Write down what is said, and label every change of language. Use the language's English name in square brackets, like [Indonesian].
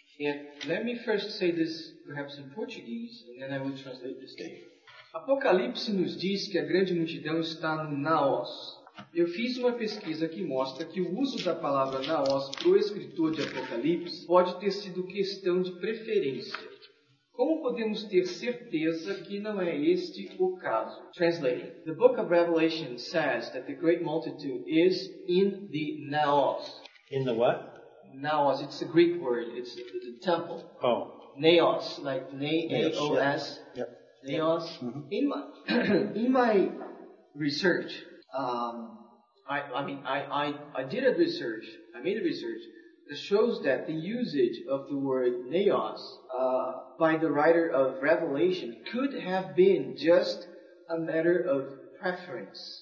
[English] And let me first say this, perhaps in Portuguese, and then I will translate this to you. [Portuguese] Apocalipse nos diz que a grande multidão está no Naos. Eu fiz uma pesquisa que mostra que o uso da palavra Naos para o escritor de Apocalipse pode ter sido questão de preferência. Como podemos ter certeza que não é este o caso? [English] Translating. The book of Revelation says that the great multitude is in the Naos. In the what? Naos, it's a Greek word, it's the temple. Oh, Naos, like N-A-O-S. Yep. Naos. Mm-hmm. In my research, I made a research that shows that the usage of the word naos by the writer of Revelation could have been just a matter of preference.